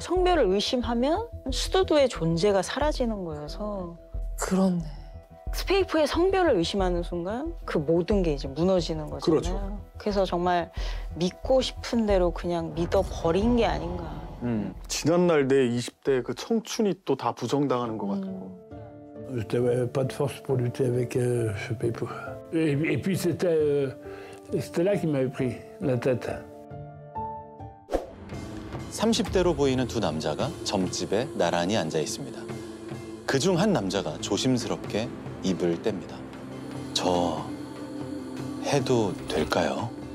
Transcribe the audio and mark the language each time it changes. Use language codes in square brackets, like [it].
[ko] 성별을 의심하면 스두두의 존재가 사라지는 거여서. 그렇네. 스페이프의 성별을 의심하는 순간 그 모든 게 이제 무너지는 거잖아요. 그렇죠. 그래서 정말 믿고 싶은 대로 그냥 믿어버린 게 아닌가. 지난날 내 20대 그 청춘이 또 다 부정당하는 것 같고. [fr] Je n'avais pas de force pour lutter avec ce pays. Et puis c'était là qui m'avait pris la tête. [ko] 30대로 보이는 두 남자가 점집에 나란히 앉아 있습니다. 그중 한 남자가 조심스럽게 입을 뗍니다. 저 해도 될까요?